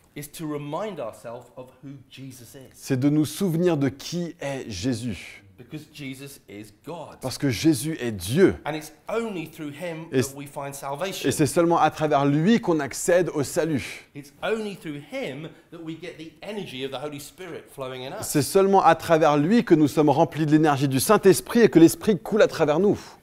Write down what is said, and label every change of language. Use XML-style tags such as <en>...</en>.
<en>is to remind ourselves of who Jesus is.</en> <fr>C'est de nous souvenir de qui est Jésus.</fr> <en>Because Jesus is God.</en> <fr>Parce que Jésus est Dieu.</fr> <en>And it's only through him that we find salvation.</en> <fr>Et c'est seulement à travers lui qu'on accède au salut.</fr> <en>It's only through him that we get the energy of the Holy Spirit flowing in us.</en> <fr>C'est seulement à travers lui que nous sommes remplis de l'énergie du Saint-Esprit et que l'Esprit coule à travers nous.</fr>